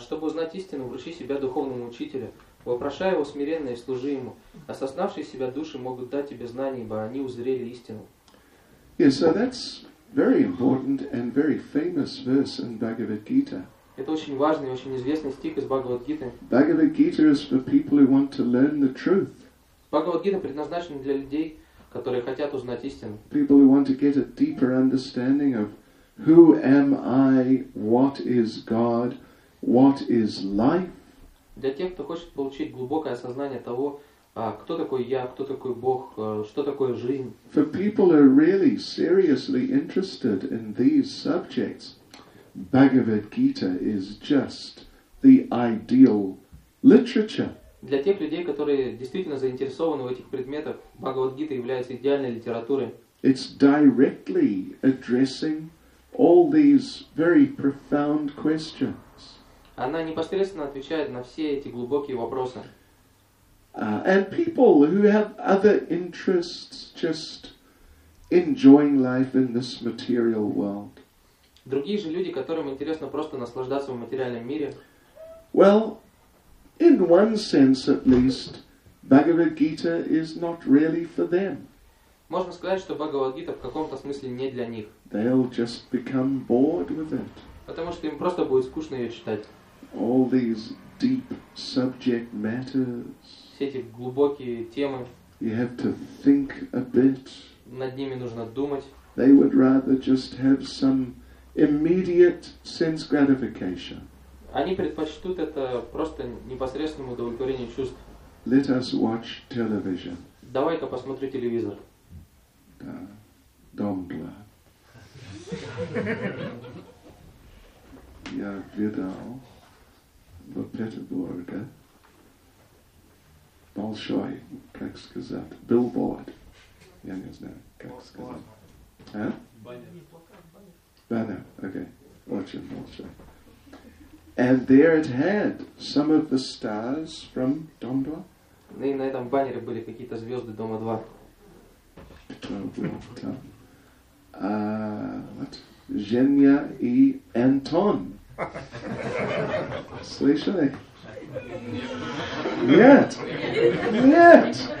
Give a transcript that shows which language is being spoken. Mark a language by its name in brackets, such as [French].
[Russian] Чтобы узнать истину, вручи себя духовному учителю, вопрошай его смиренно и служи ему. Осознавшие себя души могут дать тебе знания, ибо они узрели истину. [English] Yeah, so that's very important and very famous verse in Bhagavad Gita. [Russian] Это очень важный и очень известный стих из Бхагавад Гиты. [English] Bhagavad Gita is for people who want to learn the truth. [Russian] Бхагавад Гита предназначена для людей, которые хотят узнать истину. [English] People who want to get a deeper understanding of who am I, what is God, what is life. [Russian] Для тех, кто хочет получить глубокое осознание того, кто такой я, кто такой Бог, что такое жизнь. [English] For people who are really seriously interested in these subjects, Bhagavad Gita is just the ideal literature. [Russian] Для тех людей, которые действительно заинтересованы в этих предметах, Бхагавад Гита является идеальной литературой. [English] It's directly addressing all these very profound questions. [Russian] Она непосредственно отвечает на все эти глубокие вопросы. [English] And people who have other interests, just enjoying life in this material world. [Russian] Другие же люди, которым интересно просто наслаждаться в материальном мире. [English] Well, in one sense at least, Bhagavad Gita is not really for them. [Russian] Можно сказать, что Бхагавад Гита в каком-то смысле не для них. [English] They'll just become bored with it. [Russian] Потому что им просто будет скучно ее читать. [English] All these deep subject matters. [Russian] Все эти глубокие темы. [English] You have to think a bit. [Russian] Над ними нужно думать. [English] They would rather just have some immediate sense gratification. [Russian] Они предпочтут это просто непосредственному удовлетворению чувств. [English] Let us watch television. [Russian] Давай-ка посмотрю телевизор. Да. Домбла. Я видал в Петербурге большой, как сказать, билборд. Я не знаю, как сказать. Баннер. Окей. Очень большой. [English] And there it had some of the stars from Дом 2. [Russian] Ну и на этом баннере были какие-то звезды Дома 2. Кто был там? Женя и Антон. Слышали? Нет! Нет!